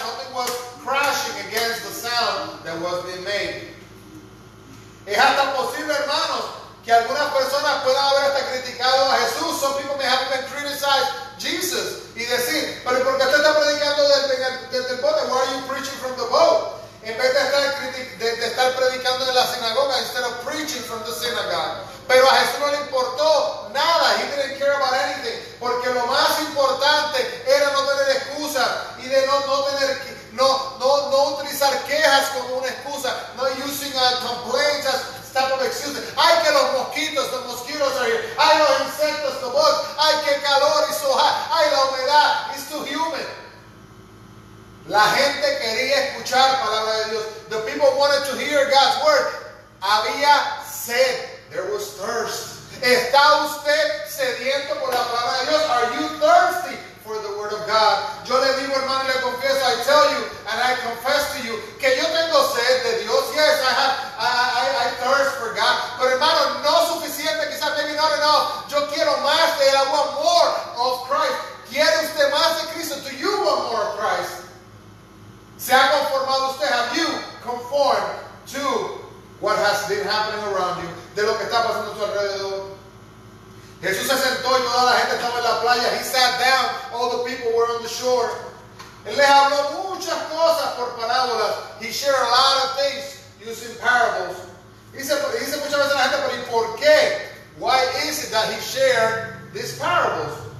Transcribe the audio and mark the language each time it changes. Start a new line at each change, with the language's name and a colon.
English: Nothing was crashing against the sound that was being made.
Spanish: Es hasta posible, hermanos, que algunas personas puedan haber hasta criticado a Jesús.
English: Some people may have even criticized Jesus.
Spanish: Y decir, pero ¿por qué usted está predicando desde el bote?
English: Why are you preaching from the boat?
Spanish: En vez de estar, estar predicando en la sinagoga,
English: instead of preaching from the synagogue.
Spanish: Pero a Jesús no le importó nada.
English: He didn't care about anything.
Spanish: Porque lo más importante era no tener excusas y de no utilizar quejas como una excusa.
English: No using complaints as type of excuses.
Spanish: Ay, que los mosquitos,
English: the mosquitoes are here.
Spanish: Ay, los insectos,
English: the bugs.
Spanish: Ay, que calor,
English: it's so hot.
Spanish: Ay, la humedad,
English: it's too humid.
Spanish: La gente quería escuchar la palabra de Dios.
English: The people wanted to hear God's word.
Spanish: Había sed.
English: There was thirst.
Spanish: ¿Está usted sediento por la palabra de Dios?
English: Are you thirsty for the word of God?
Spanish: Yo le digo, hermano, le confieso,
English: I tell you and I confess to you
Spanish: que yo tengo sed de Dios.
English: Yes, I thirst for God.
Spanish: Pero hermano, no suficiente, quizás,
English: maybe not enough.
Spanish: Yo quiero más de él.
English: I want more of Christ.
Spanish: ¿Quiere usted más de Cristo?
English: Do you want more of Christ?
Spanish: ¿Se ha conformado usted?
English: Have you conformed to what has been happening around you? The
Spanish: lo que está pasando a tu alrededor. Jesús se sentó y toda la gente estaba en la playa.
English: He sat down, all the people were on the shore.
Spanish: Él les habló muchas cosas por parábolas.
English: He shared a lot of things using parables.
Spanish: Dice muchas veces la gente, pero ¿y por qué?
English: Why is it that he shared these parables?